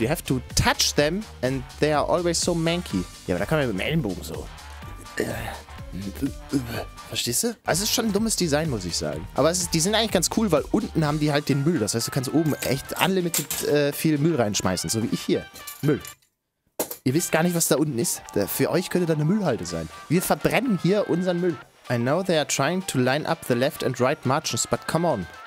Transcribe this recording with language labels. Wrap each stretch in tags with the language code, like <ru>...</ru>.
<en>You have to touch them and they are always so manky.</en> <de>Ja, aber da kann man mit dem Ellenbogen so. Verstehst du? Also es ist schon ein dummes Design, muss ich sagen. Aber es ist, die sind eigentlich ganz cool, weil unten haben die halt den Müll. Das heißt, du kannst oben echt unlimited viel Müll reinschmeißen, so wie ich hier. Müll. Ihr wisst gar nicht, was da unten ist. Für euch könnte da eine Müllhalde sein. Wir verbrennen hier unseren Müll.</de> <en>I know they are trying to line up the left and right margins, but come on.</en>